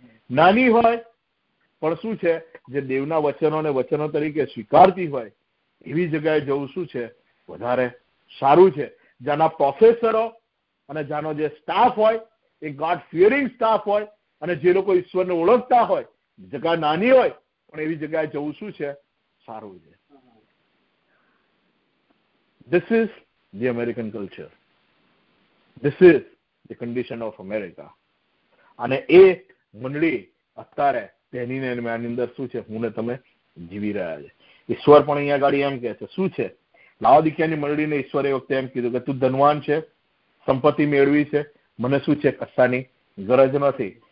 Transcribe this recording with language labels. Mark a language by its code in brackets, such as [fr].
[gu] નાની હોય પણ શું છે, જે દેવના વચનોને વચનો તરીકે સ્વીકારતી હોય એવી જગ્યાએ જવું શું છે, વધારે સારું છે. જેના પ્રોફેસરો અને જેનો જે સ્ટાફ હોય એ ગોડ ફિયરિંગ સ્ટાફ હોય અને જે લોકો ઈશ્વરને ઓળખતા હોય, જગા નાની હોય પણ એવી જગ્યાએ જવું શું છે, સારું છે. [en] This is the American culture. This is the condition of America. [gu] અને એ મંડળી અત્યારે તેની અંદર શું છે, હું ને તમે જીવી રહ્યા છે. ઈશ્વર પણ અહીંયા ગાડી એમ કે છે, શું છે, લાઓદીકિયાની મંડળીને ઈશ્વરે વખતે એમ કીધું કે તું ધનવાન છે, સંપત્તિ મેળવી છે, મને શું છે, કશાની ગરજ નથી.